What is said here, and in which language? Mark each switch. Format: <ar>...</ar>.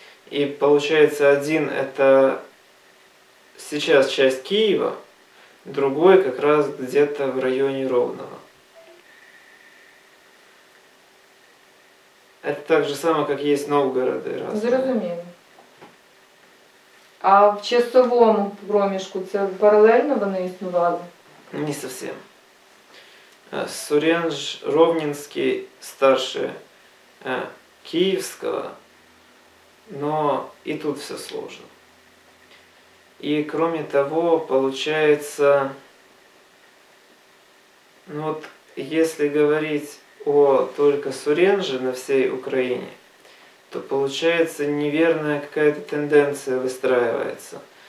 <ru>И получается, один это сейчас часть Киева, другой как раз где-то в районе Ровного. Это так же самое, как есть Новгороды разные.</ru> <uk>Зрозуміло. А в часовом проміжку це паралельно вони існували?</uk> <ru>Не совсем. Суренж Ровнинский старше Киевского, но и тут все сложно. И кроме того, получается, ну вот если говорить о только Суренже на всей Украине, то получается неверная какая-то тенденция выстраивается.</ru>